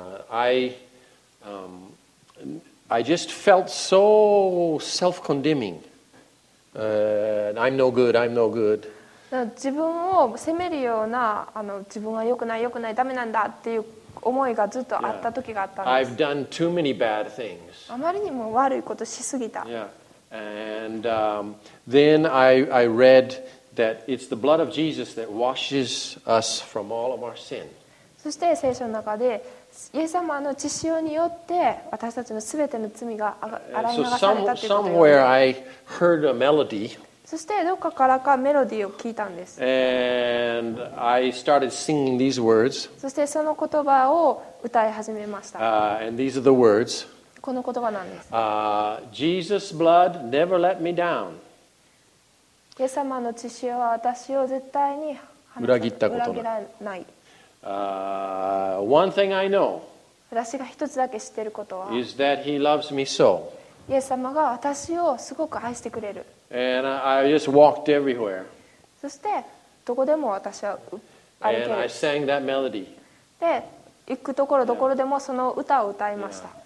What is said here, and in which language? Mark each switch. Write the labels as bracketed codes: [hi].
[en] I just felt so self-condemning. I'm no good. [ja] 自分を責めるような自分は良くないダメなんだっていう思いがずっとあった時があったんです。 [en] I've done too many bad things. [ja] あまりにも悪いことしすぎた。 [en] Yeah. And then I read that it's the blood of Jesus that washes us from all of our sin. [ja] そして聖書の中でイエス様の血潮によって私たちのすべての罪が洗い流されたということを。 [en] Somewhere I heard a melody. [ja] そしてどこからかメロディーを聞いたんです。 [en] And I started singing these words. [ja] そしてその言葉を歌い始めました。 [en] And these are the words. [ja] この言葉なんです。 [en] Jesus' blood never let me down. [ja] イエス様の血潮は私を絶対に裏切ったことな ない、 [en] one thing I know [ja] 私が一つだけ知ってることは [en] is that he loves me so. [ja] イエス様が私をすごく愛してくれる [en] and I just walked everywhere. [ja] そしてどこでも私は歩ける [en] and I sang that melody. [ja] で行くところどころでもその歌を歌いました、